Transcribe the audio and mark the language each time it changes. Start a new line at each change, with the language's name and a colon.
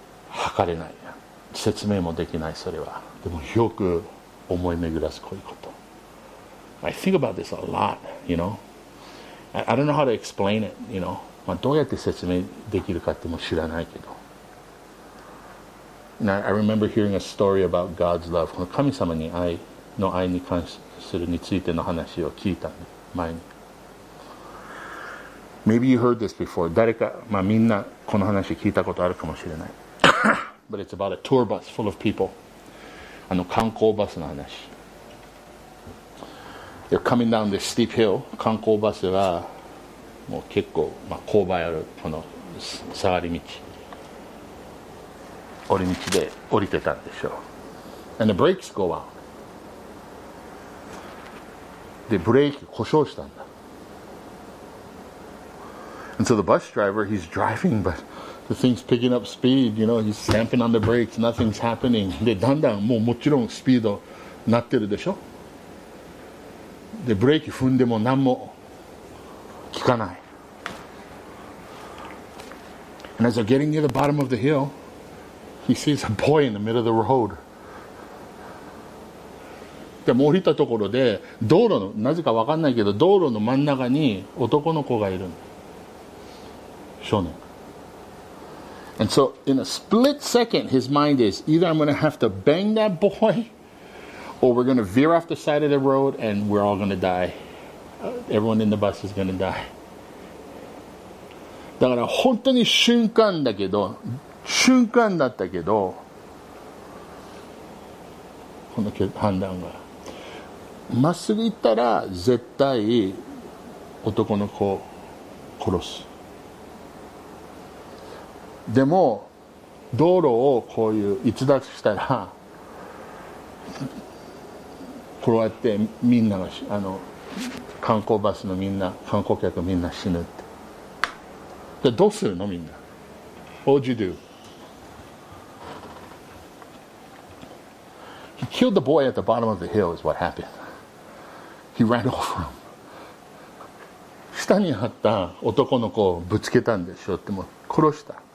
Japanese: 測れない。説明もできない。それはでもよく思い巡らす、こういうこと。
English: I think about this a lot, you know. I don't know how to explain it, you know. まあ、
Japanese: どうやって説明できるかっても知らないけど。
English: Now, I remember hearing a story about God's love.
Japanese: この神様に愛の愛に関するについての話を聞いた前に。
English: Maybe you heard this before.
Japanese: 誰か、まあ、みんなこの話聞いたことあるかもしれない。
English: But it's about a tour bus full of people.
Japanese: あの観光バスの話。
English: They're coming down this steep hill.
Japanese: 観光バスはもう結構、まあ、勾配あるこの下がり道。降り道で降りてたんでしょう。
English: And the brakes go out.
Japanese: で、ブレーキ故障したんだ。
English: And so the bus driver, he's driving, but the thing's picking up speed, you know, he's stamping on the brakes, nothing's happening.
Japanese: で、だんだんもうもちろんスピードなってるでしょ。で、ブレーキ踏んでも何も効かない。
English: And as they're getting near the bottom of the hill, he sees a boy in the middle of the road.
Japanese: でも降りたところで、道路の、なぜかわかんないけど、道路の真ん中に男の子がいる。少年。
English: And so, in a split second, his mind is either I'm going to have to bang that boy, or we're going to veer off the side of the road and we're all going to die. Everyone in the bus is going to die.
Japanese: だから本当に瞬間だけど、瞬間だったけど、この判断が。まっすぐ行ったら絶対男の子を殺す。でも道路をこういう逸脱したらこうやってみんながあの観光バスのみんな観光客みんな死ぬって。でどうするのみんな。
English: What would you do? He killed the boy at the bottom of the hill is what happened. He ran over him.
Japanese: 下にあった男の子をぶつけたんでしょって。もう殺した。